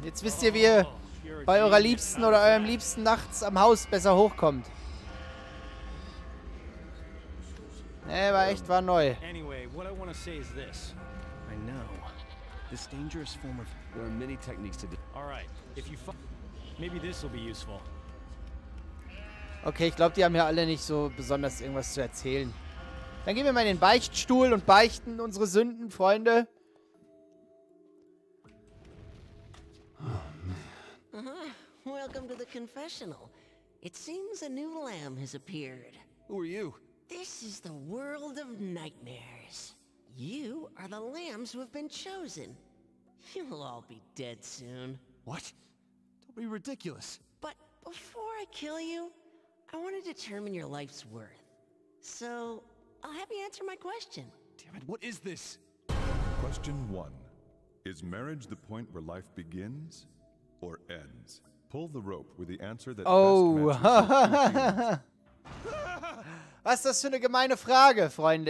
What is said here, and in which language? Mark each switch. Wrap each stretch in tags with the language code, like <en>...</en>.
<de>Jetzt wisst ihr, wie ihr bei eurer Liebsten oder eurem Liebsten nachts am Haus besser hochkommt. Nee, war echt, war neu.</de> <en>Anyway, what I want to say is this. I know. This dangerous form of... There are many techniques to do. All right, if you... Maybe this will be useful.</en> <de>Okay, ich glaube, die haben hier alle nicht so besonders irgendwas zu erzählen. Dann gehen wir mal in den Beichtstuhl und beichten unsere Sünden, Freunde.</de> <en>Oh, man. Welcome to the confessional. It seems a new lamb has appeared. Who are you? This is the world of nightmares. You are the lambs who have been chosen. You'll all be dead soon. What? Don't be ridiculous. But before I kill you, I want to determine your life's worth. So, I'll have you answer my question. Damn it, what is this? Question one. Is marriage the point where life begins or ends? Pull the rope with the answer that... Oh!</en> <de>Was ist das für eine gemeine Frage, Freunde?</de>